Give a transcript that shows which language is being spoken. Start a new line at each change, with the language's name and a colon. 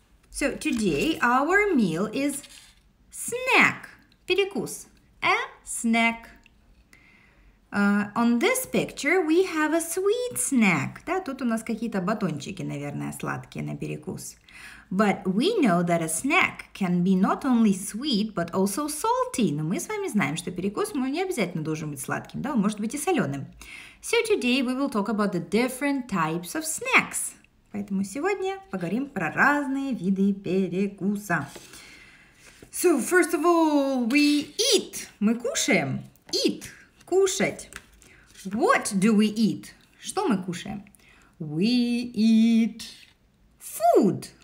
English: So, today our meal is snack, перекус, a snack. On this picture we have a sweet snack,
Russian: да, тут у нас какие-то батончики, наверное, сладкие на перекус.
English: But we know that a snack can be not only sweet, but also salty.
Russian: Но мы с вами знаем, что перекус не обязательно должен быть сладким, да, он может быть и соленым.
English: So today we will talk about the different types of snacks.
Russian: Поэтому сегодня поговорим про разные виды перекуса.
English: So first of all, we eat.
Russian: Мы кушаем.
English: Eat.
Russian: Кушать.
English: What do we eat?
Russian: Что мы кушаем?
English: We eat food.